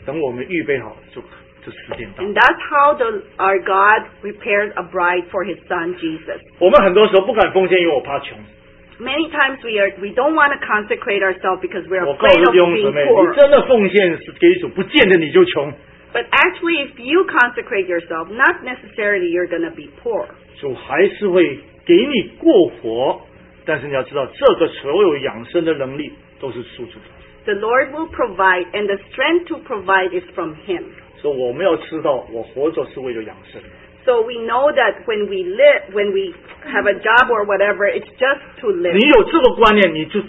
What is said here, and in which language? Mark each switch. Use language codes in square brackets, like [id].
[zh] 神为我们耶稣基督预备的配偶就是如此，等我们预备好，就时间到。 [en] And that's how our God prepared a bride for His Son Jesus. [zh] 我们很多时候不敢奉献，因为我怕穷。 [en] Many times we don't want to consecrate ourselves because we're afraid of being poor. [zh] 我告诉弟兄姊妹，你真的奉献给主，不见得你就穷。 [en] But actually, if you consecrate yourself, not necessarily you're going to be poor. [zh] 主还是会给你过活。但是你要知道，这个所有养生的能力都是出自他。The [en] Lord will provide, and the strength to provide is from Him. [zh] 所以我们要知道，我活着是为了养生。So [en] we know that when we live, when we have a job or whatever, it's just to live.